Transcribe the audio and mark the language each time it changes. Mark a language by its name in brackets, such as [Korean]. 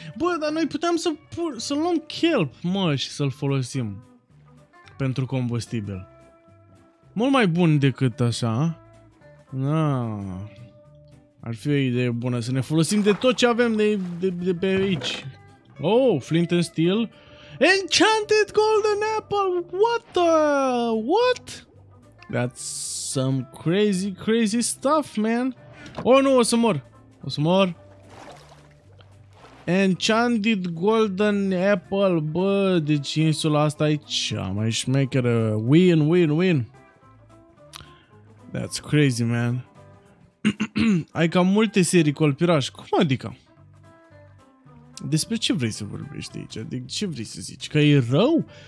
[Romanian] Bă, dar noi puteam să luăm kelp, mă, și să-l folosim pentru combustibil. Mult mai bun decât așa. Na. Ar fi o idee bună să ne folosim de tot ce avem de pe aici. [English] Oh, flint and steel. Enchanted golden apple. What the? What? That's some crazy, crazy stuff, man. [Romanian] Oh, nu, o să mor. Enchanted golden apple. Bă, deci insula asta e cea mai șmecheră. [English] Win, win, win. That's crazy, man. [Romanian] Ai cam multe serii colpiraș. Cum adică? Despre ce vrei să vorbești aici? Adică ce vrei să zici? Că e rău?